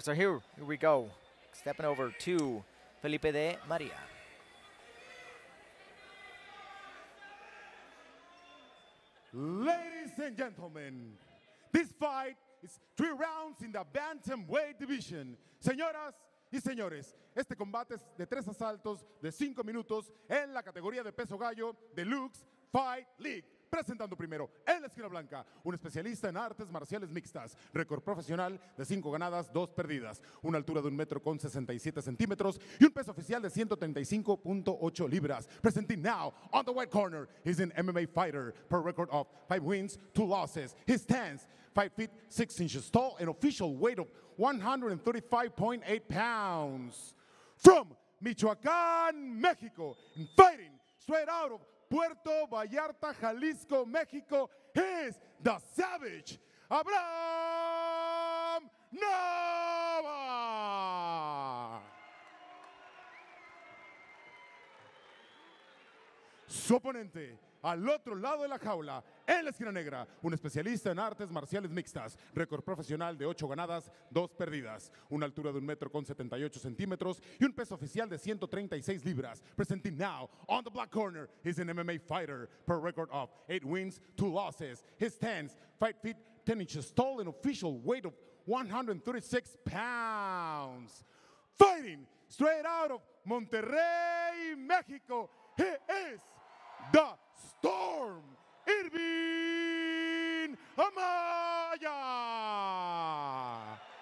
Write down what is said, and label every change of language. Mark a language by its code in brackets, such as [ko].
[en] So here we go, stepping over to Felipe de Maria. Ladies and gentlemen, this fight is 3 rounds in the bantamweight division. [es] Señoras y señores, este combate es de 3 asaltos de 5 minutos en la categoría de peso gallo de LUX Fight League. Presentando primero, en la esquina blanca, un especialista en artes marciales mixtas. Récord profesional de 5 ganadas, 2 perdidas. Una altura de 1 metro con 67 centímetros y un peso oficial de 135.8 libras. [en] Presenting now, on the white corner, he's an MMA fighter. Per record of 5 wins, 2 losses. He stands 5 feet 6 inches tall, an official weight of 135.8 pounds. From Michoacán, Mexico, and fighting straight out of Puerto Vallarta, Jalisco, Mexico, is the Savage Abraham Nava. [es] Su oponente, al otro lado de la jaula, en la esquina negra, un especialista en artes marciales mixtas. Récord profesional de 8 ganadas, 2 perdidas. Una altura de 1 metro con 78 centímetros y un peso oficial de 136 libras. [en] Presenting now, on the black corner, he's an MMA fighter. Per record of 8 wins, 2 losses. He stands 5 feet 10 inches tall, an official weight of 136 pounds. Fighting straight out of Monterrey, Mexico, he is the Storm Irvin Amaya.